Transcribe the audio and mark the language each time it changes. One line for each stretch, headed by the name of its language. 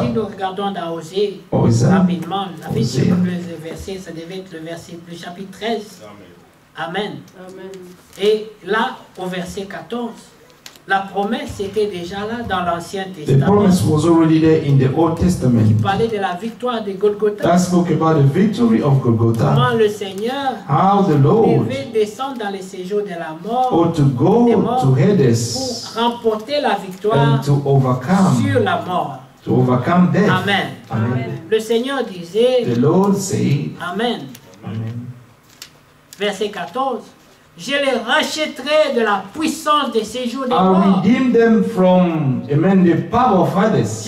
French: Si nous regardons dans Osée, rapidement, la vie de le verset, ça devait être le verset du chapitre 13. Amen. Amen. Et là, au verset 14, la promesse était déjà là dans l'Ancien Testament.
English: The promise was already there in the Old Testament.
French: Il parlait de la victoire de Golgotha.
English: That spoke about the victory of Golgotha.
French: Comment le Seigneur
English: how the Lord
French: devait descendre dans les séjours de la mort
English: or to go to Hades
French: pour remporter la victoire
English: and to overcome
French: sur la mort.
English: To overcome death. Amen. Amen.
French: Le Seigneur disait
English: the Lord said, Amen. Amen.
French: Verset 14. Je les rachèterai de la puissance de ces jours de mort.
English: I will redeem them from amen, the power of Hades.